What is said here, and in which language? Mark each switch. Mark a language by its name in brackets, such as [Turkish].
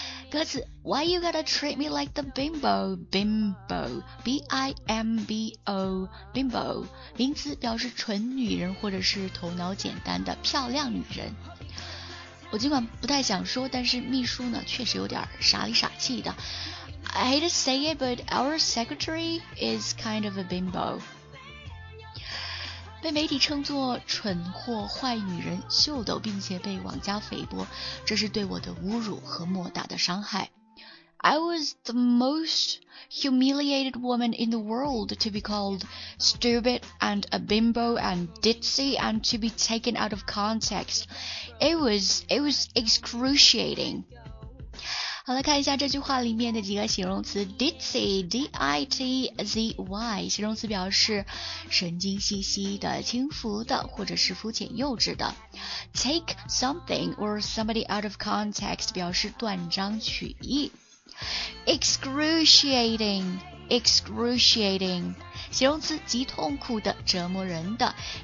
[Chinese] 歌词 [English] Why you gotta treat me like the bimbo? [Chinese] Bimbo B-I-M-B-O Bimbo 名词，表示纯女人或者是头脑简单的漂亮女人。我尽管不太想说，但是秘书呢确实有点傻里傻气的。 [English] I hate to say it, but our secretary is kind of a bimbo. [Chinese] 被媒体称作蠢货、坏女人、秀逗，并且被网加诽谤，这是对我的侮辱和莫大的伤害。 [English] I was the most humiliated woman in the world to be called stupid and a bimbo and ditzy and to be taken out of context. It was excruciating. [Chinese] 好了，看一下这句话里面的几个形容词 ,ditzy, D-I-T-Z-Y, 形容词表示神经兮兮的、轻浮的或者是肤浅幼稚的。 [English] Take something or somebody out of context [Chinese] 表示断章取义。 Excruciating, excruciating, 形容词极痛苦的、折磨人的。